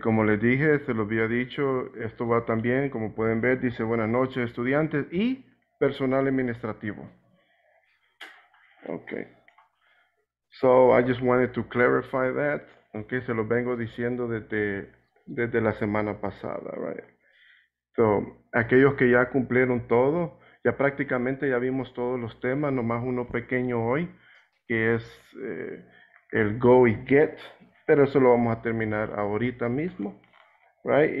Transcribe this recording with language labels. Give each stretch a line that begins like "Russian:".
Spanish: Como les dije, se lo había dicho, esto va también, como pueden ver, dice buenas noches, estudiantes y personal administrativo.
English: Okay. So, I just wanted to clarify that, okay?
Spanish: Se lo vengo diciendo desde la semana pasada, right? So, aquellos que ya cumplieron todo, ya prácticamente ya vimos todos los temas, nomás uno pequeño hoy, que es el go y get, pero eso lo vamos a terminar ahorita mismo, right?